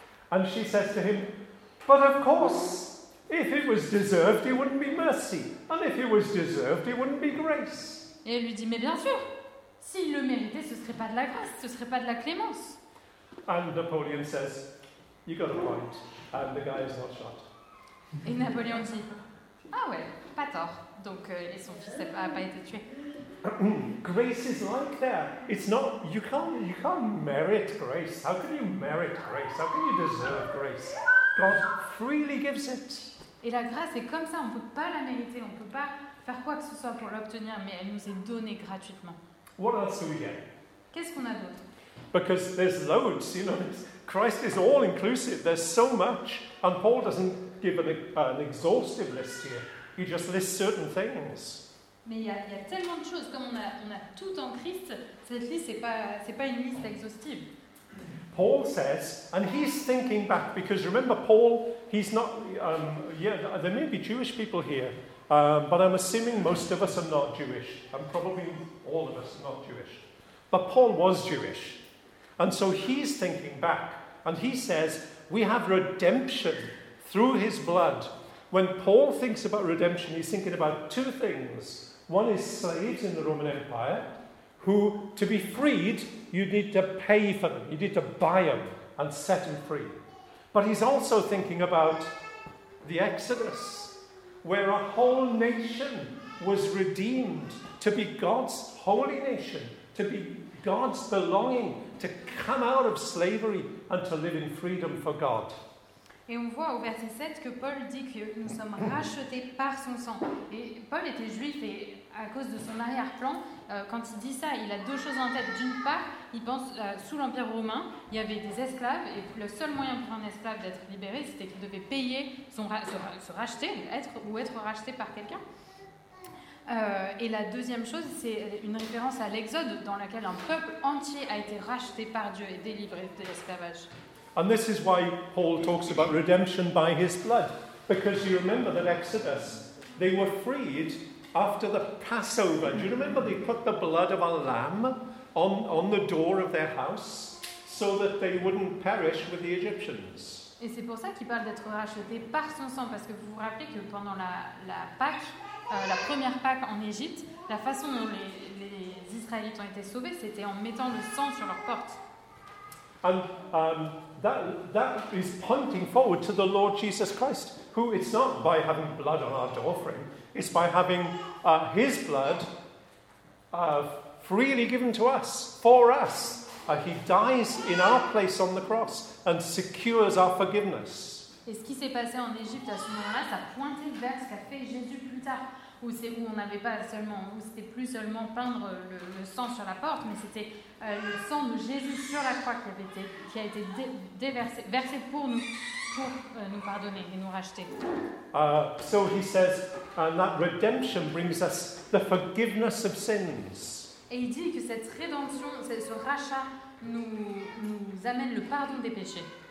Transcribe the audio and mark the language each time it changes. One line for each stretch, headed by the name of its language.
English: And she says to him, but of course, if it was deserved, it wouldn't be mercy. And if it was deserved, it wouldn't be grace.
French: Et elle lui dit, mais bien sûr, s'il le méritait, ce ne serait pas de la grâce, ce ne serait pas de la clémence.
English: And Napoleon says, you got a point, and the guy is not shot.
French: Et Napoléon dit, ah ouais, pas tort. Donc, et son fils n'a pas été tué.
English: Grace is like that. It's not, you can't merit grace. How can you merit grace? How can you deserve grace? God freely gives it.
French: Et la grâce est comme ça, on ne peut pas la mériter, on ne peut pas faire quoi que ce soit pour l'obtenir, mais elle nous est donnée gratuitement.
English: What else do we get?
French: Qu'est-ce qu'on a d'autre?
English: Because there's loads, you know. Christ is all inclusive. There's so much. And Paul doesn't give an exhaustive list here. He just lists certain things.
French: Mais il y a tellement de choses, comme on a tout en Christ, cette liste c'est pas une liste exhaustive.
English: Paul says, and he's thinking back, because remember Paul, he's not, there may be Jewish people here, but I'm assuming most of us are not Jewish, and probably all of us are not Jewish. But Paul was Jewish, and so he's thinking back, and he says, we have redemption through his blood. When Paul thinks about redemption, he's thinking about two things. One is slaves in the Roman Empire, who, to be freed, you need to pay for them. You need to buy them and set them free. But he's also thinking about the Exodus, where a whole nation was redeemed to be God's holy nation, to be God's belonging, to come out of slavery and to live in freedom for God.
French: Et on voit au verset 7 que Paul dit que nous sommes rachetés par son sang. Et Paul était juif et à cause de son arrière-plan, quand il dit ça, il a deux choses en tête. D'une part, il pense sous l'Empire romain, il y avait des esclaves et le seul moyen pour un esclave d'être libéré, c'était qu'il devait payer, être racheté par quelqu'un. Et la deuxième chose, c'est une référence à l'Exode dans laquelle un peuple entier a été racheté par Dieu et délivré de l'esclavage.
English: And this is why Paul talks about redemption by his blood. Because you remember that Exodus, they were freed after the Passover. Do you remember they put the blood of a lamb on the door of their house so that they wouldn't perish with the Egyptians?
French: Et c'est pour ça qu'il parle d'être racheté par son sang, parce que vous vous rappelez que pendant la Pâque, la première Pâque en Égypte, la façon dont les Israélites ont été sauvés, c'était en mettant le sang sur leurs portes.
English: And that is pointing forward to the Lord Jesus Christ, who it's not by having blood on our doorframe, it's by having his blood freely given to us, for us. He dies in our place on the cross and secures our forgiveness.
French: Et ce qui s'est passé en Égypte à ce moment-là, ça pointait vers ce qu'a fait Jésus plus tard, où c'était plus seulement peindre le sang sur la porte, mais c'était le sang de Jésus sur la croix qui a été versé pour nous, pour nous pardonner et nous racheter.
English: So he says, and that redemption brings us the forgiveness of sins.
French: Et il dit que cette rédemption, ce rachat, nous amène le pardon des péchés.